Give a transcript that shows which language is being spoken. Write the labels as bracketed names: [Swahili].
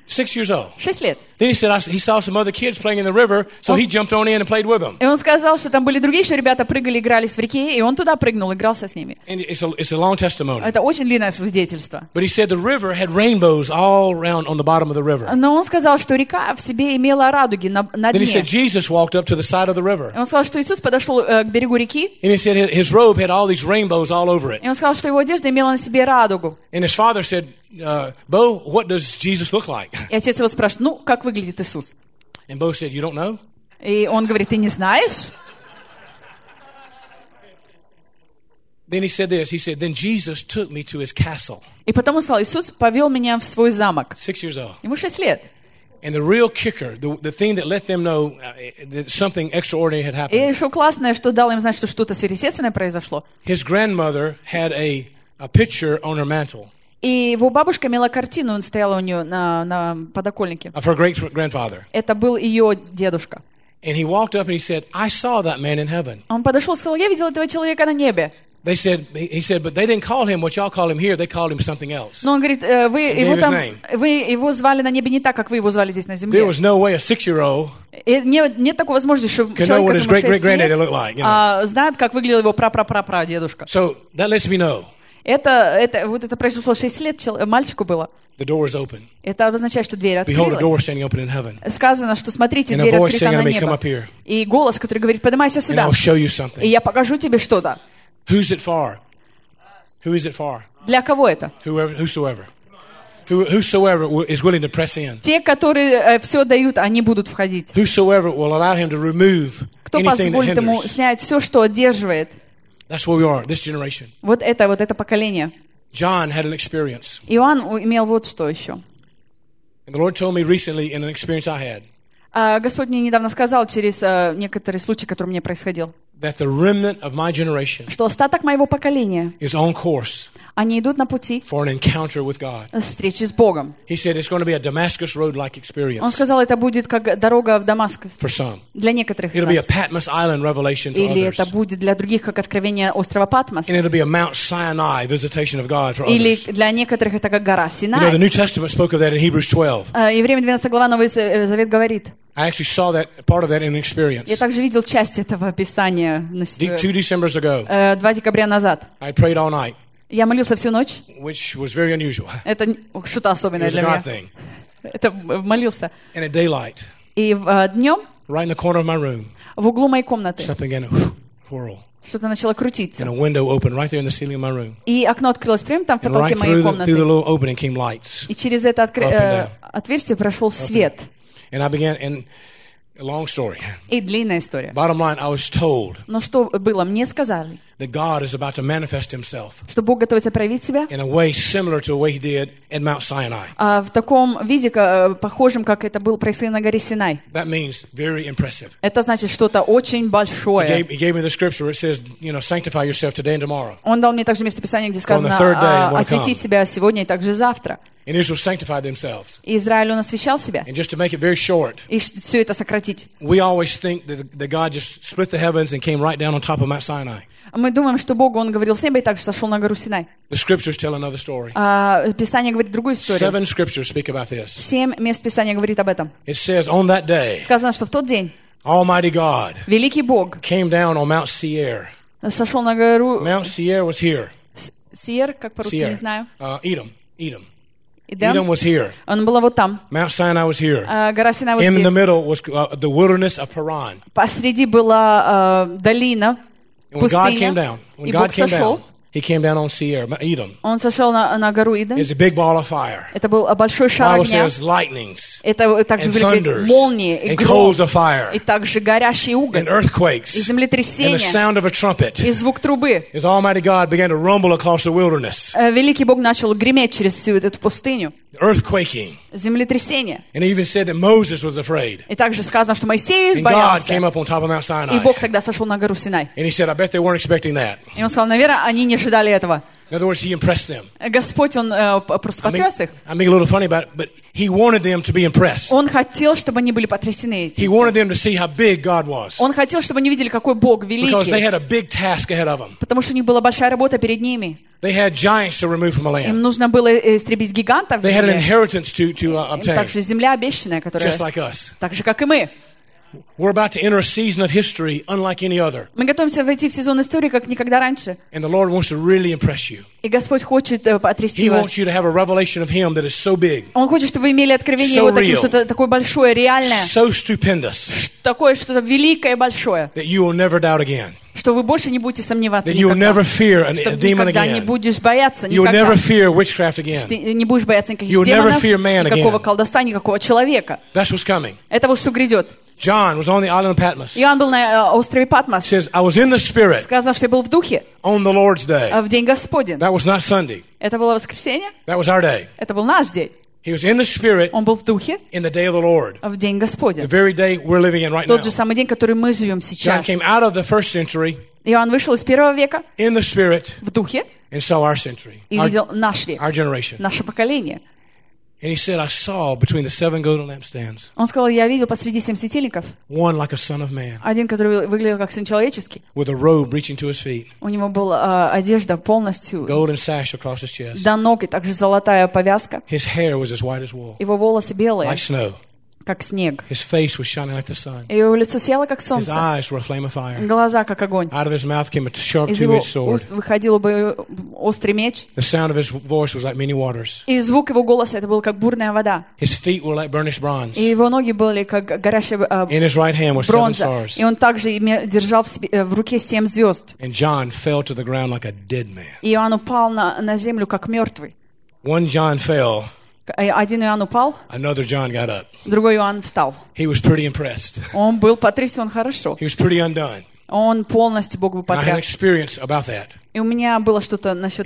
[Russian] 6 лет. [English] Then he said, he saw some other kids playing in the river, so he jumped on in and played with them. [Russian] И он сказал, что там были другие еще ребята, прыгали, игрались в реке, и он туда прыгнул, игрался с ними. [English] And it's a long testimony. [Russian] Это очень длинное свидетельство. [English] But he said the river had rainbows all around on the bottom of the river. [Russian] Но он сказал, что река в себе имела радуги на дне. [English] Then he said Jesus walked up to the side of the river. [Russian] И он сказал, что Иисус подошел к берегу реки. [English] And he said his robe had all these rainbows all over it. [Russian] И он сказал, что его одежда имела на себе радугу. [English] And his father said, Bo, what does Jesus look like? [Russian] И отец его спрашивает, ну, как выглядит Иисус? [English] And Bo said, you don't know? [Russian] И он говорит, ты не знаешь? И потом он сказал, Иисус повел меня в свой замок. [English] 6 years old. [Russian] Ему 6 лет. [English] And the real kicker, the thing that let them know that something extraordinary had happened. [Russian] И еще классное, что дало им знать, что что-то сверхъестественное произошло. [English] His grandmother had a picture on her mantle. [Russian] И его бабушка имела картину, он стоял у нее на подоконнике. [English] Of her great grandfather. [Russian] Это был ее дедушка. [English] And he walked up and he said, I saw that man in heaven. [Russian] Он подошел и сказал, я видел этого человека на небе. [English] They said, he said, but they didn't call him what y'all call him here. They called him something else. [Russian] Но он говорит, вы его там, вы его звали на небе не так, как вы его звали здесь на земле. [English] There was no way a six-year-old. [Russian] Нет такой возможности, чтобы человек, которому 6 лет, знает, как выглядел его [English] great-great-granddad look like. [Russian] Знает, как выглядел его прапрапрапрадедушка. [English] So that lets me know. [Russian] Это вот это произошло 6 лет мальчику было. [English] The door is open. [Russian] Это обозначает, что дверь открылась. [English] Behold, a door standing open in heaven. [Russian] Сказано, что смотрите, дверь открыта на небе. И голос, который говорит, поднимайся сюда. [English] And I'll show you something. [Russian] И я покажу тебе что-то. [English] Who's it for? Who is it for? [Russian] Для кого это? [English] Whoever, whosoever. Whosoever is willing to press in. [Russian] Те, которые все дают, они будут входить. [English] Whosoever will allow him to remove anything that hinders. [Russian] Кто позволит ему снять все, что одерживает? [English] That's where we are, this generation. [Russian] Вот это поколение. [English] John had an experience. [Russian] Иоанн имел вот что еще. [English] And the Lord told me recently in an experience I had. [Russian] Господь мне недавно сказал через некоторые случаи, которые мне происходил. [English] That the remnant of my generation. [Russian] Что остаток моего поколения. [English] Is on course. [Russian] Они идут на пути. [English] For an encounter with God. [Russian] Встречи с Богом. [English] He said it's going to be a Damascus road-like experience. [Russian] Он сказал, это будет как дорога в Дамаск. [English] For some. [Russian] Для некоторых. [English] It'll be a Patmos Island revelation to others. [Russian] Или это будет для других как откровение острова Патмос. [English] And it'll be a Mount Sinai visitation of God for others. [Russian] Или для некоторых это как гора Синай. [English] You know, the New Testament spoke of that in Hebrews 12. [Russian] Евреям 12 глава Новый Завет говорит. [English] I actually saw that part of that in experience. [Russian] Я также видел часть этого описания на себе. [English] 2 December ago. [Russian] 2 декабря назад. [English] I prayed all night. [Russian] Я молился всю ночь. [English] Which was very unusual. [Russian] Это что-то особенное для меня. [English] It was a God thing. [Russian] Это молился. [English] And at daylight. [Russian] И днем. [English] Right in the corner of my room. [Russian] В углу моей комнаты. [English] Something began to whirl. [Russian] Что-то начало крутиться. [English] And a window opened right there in the ceiling of my room. [Russian] И окно открылось прямо там в потолке моей комнаты. [English] And through the little opening came lights. [Russian] И через это отверстие прошел свет. [English] And I began, and a long story. [Russian] И длинная история. [English] Bottom line, I was told. [Russian] Но что было? Мне сказали. [English] That God is about to manifest Himself. [Russian] Что Бог готовится проявить себя. [English] In a way similar to the way He did at Mount Sinai. [Russian] В таком виде, похожем, как это было происходило на горе Синай. [English] That means very impressive. [Russian] Это значит что-то очень большое. [English] He gave me the scripture where it says, you know, sanctify yourself today and tomorrow. [Russian] Он дал мне также местописание, где сказано, освяти себя сегодня и также завтра. [English] And Israel sanctified themselves. [Russian] Израиль освящал себя. [English] And just to make it very short. [Russian] И все это сократить. [English] We always think that God just split the heavens and came right down on top of Mount Sinai. [Russian] Мы думаем, что Бог, Он говорил с неба и также сошел на гору Синай. [English] The scriptures tell another story. [Russian] Писание говорит другую историю. [English] 7 scriptures speak about this. [Russian] 7 мест Писания говорит об этом. [English] It says, on that day. [Russian] Сказано, что в тот день. [English] Almighty God. [Russian] Великий Бог. [English] Came down on Mount Seir. [Russian] Сошел на гору. [English] Mount Seir was here. [Russian] Seir, как по-русски не знаю. [English] Edom. Edom was here. [Russian] Он был вот там. [English] Mount Sinai was here. [Russian] Гора Синай вот [English] in [Russian] здесь. [English] The middle was the wilderness of Paran. [Russian] Посреди была долина. [English] And when God came down, when God came down, He came down on Seir, Edom. [Russian] Он сошел на гору Эдем. [English] It's a big ball of fire. [Russian] Это был большой шар огня. [English] Bible says lightnings. [Russian] Это также были молнии и гром. [English] And coals of fire. [Russian] И также горящий уголь. [English] And earthquakes. [Russian] И землетрясения. [English] And the sound of a trumpet. [Russian] И звук трубы. [English] As Almighty God began to rumble across the wilderness. [Russian] Великий Бог начал греметь через всю эту пустыню. [English] Earthquaking. [Russian] Землетрясение. [English] And even said that Moses was afraid. [Russian] И также сказано, что Моисей боялся. [English] And God came up on top of Mount Sinai. [Russian] И Бог тогда сошел на гору Синай. [English] And He said, I bet they weren't expecting that. [Russian] И он сказал, наверное, они не ожидали этого. [English] In other words, He impressed them. [Russian] Господь, он просто потряс их. [English] I'm being a little funny about it, but He wanted them to be impressed. [Russian] Он хотел, чтобы они были потрясены этим. [English] He wanted them to see how big God was. [Russian] Он хотел, чтобы они видели, какой Бог великий. [English] Because they had a big task ahead of them. [Russian] Потому что у них была большая работа перед ними. [English] They had giants to remove from the land. [Russian] Им нужно было истребить гигантов. [English] They had an inheritance to obtain. [Russian] Также земля обещанная, которая. [English] Just like us. [Russian] Так же, как и мы. [English] We're about to enter a season of history unlike any other. [Russian] Мы готовимся войти в сезон истории как никогда раньше. [English] And the Lord wants to really impress you. [Russian] И Господь хочет потрясти вас. [English] He wants you to have a revelation of Him that is so big. [Russian] Он хочет, чтобы вы имели откровение Его таким, что-то такое большое, реальное. [English] So stupendous. [Russian] Такое что-то великое, большое. [English] That you will never doubt again. [Russian] Что вы больше не будете сомневаться. [English] That you will never fear a demon again. [Russian] Что никогда не будешь бояться никогда. [English] You will never fear witchcraft again. [Russian] Что не будешь бояться никаких демонов. [English] You will never fear man again. [Russian] Никакого колдовства, никакого человека. [English] That's what's coming. [Russian] Это вот что грядет. [English] John was on the island of Patmos. [Russian] Иоанн был на острове Патмос. [English] Says I was in the spirit. [Russian] Сказано, что я был в духе. [English] On the Lord's day. [Russian] В день Господень. [English] That was not Sunday. [Russian] Это было воскресенье. [English] That was our day. [Russian] Это был наш день. [English] He was in the spirit. [Russian] Он был в духе. [English] In the day of the Lord. [Russian] В день Господень. [English] The very day we're living in right now. [Russian] Тот же самый день, который мы живем сейчас. [English] John came out of the first century. [Russian] Иоанн вышел из первого века. [English] In the spirit. [Russian] В духе. [English] And saw our century. [Russian] И видел наш век. [English] Our generation. [Russian] Наше поколение. [English] And he said, I saw between the seven golden lampstands. [Russian] Он сказал, я видел посреди семи светильников. [English] One like a son of man. [Russian] Один, который выглядел как сын человеческий. [English] With a robe reaching to his feet. [Russian] У него была одежда полностью. [English] Golden sash across his chest. [Russian] До ног и также золотая повязка. [English] His hair was as white as wool. [Russian] Его волосы белые. [English] Like snow. [Russian] Как снег. [English] His face was shining like the sun. [Russian] Его лицо сияло как солнце. [English] His eyes were a flame of fire. [Russian] Глаза как огонь. [English] Out of his mouth came a sharp two-edged sword. [Russian] Из его уст выходил бы острый меч. [English] The sound of his voice was like many waters. [Russian] И звук его голоса это был как бурная вода. [English] His feet were like burnished bronze. [Russian] И его ноги были как горящая бронза. [English] In his right hand were seven stars. [Russian] И он также держал в руке семь звезд. [English] And John fell to the ground like a dead man. [Russian] И он упал на землю как мертвый. [English] One John fell. [Russian] Один Иоанн упал. [English] Another John got up. [Russian] Другой Иоанн встал. [English] He was pretty impressed. [Russian] Он был потрясен хорошо. [English] He was pretty undone. [Russian] Он полностью Бог был потряс. [English] I had experience about that. [Russian] И у меня было что-то насчет